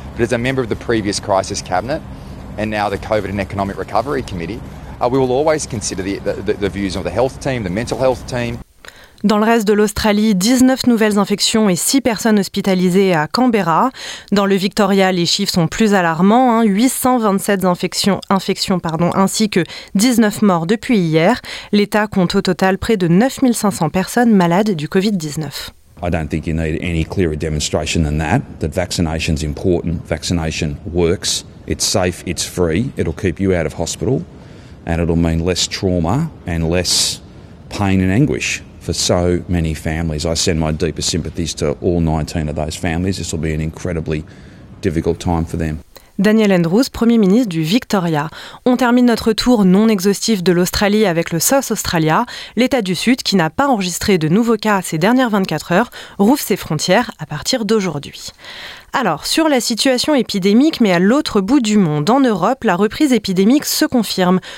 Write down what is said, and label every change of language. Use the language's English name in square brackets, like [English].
[English] But as a member of the previous crisis cabinet and now the COVID and Economic Recovery Committee, we will always consider the views of the health team, the mental health team. [French] Dans le reste de l'Australie, 19 nouvelles infections et 6 personnes hospitalisées à Canberra. Dans le Victoria, les chiffres sont plus alarmants, hein, 827 infections, ainsi que 19 morts depuis hier. L'État compte au total près de 9500 personnes malades du Covid-19. [English] I don't think you need any clearer demonstration than that vaccination is important, vaccination works, it's safe, it's free, it'll keep you out of hospital. And it'll mean less trauma and less pain and anguish for so many families. I send my deepest sympathies to all 19 of those families. This will be an incredibly difficult time for them. [French] Daniel Andrews, Premier ministre du Victoria. On termine notre tour non exhaustif de l'Australie avec le South Australia, l'État du Sud qui n'a pas enregistré de nouveaux cas ces dernières 24 heures, rouvre ses frontières à partir d'aujourd'hui. Alors, sur la situation épidémique, mais à l'autre bout du monde, en Europe, la reprise épidémique se confirme.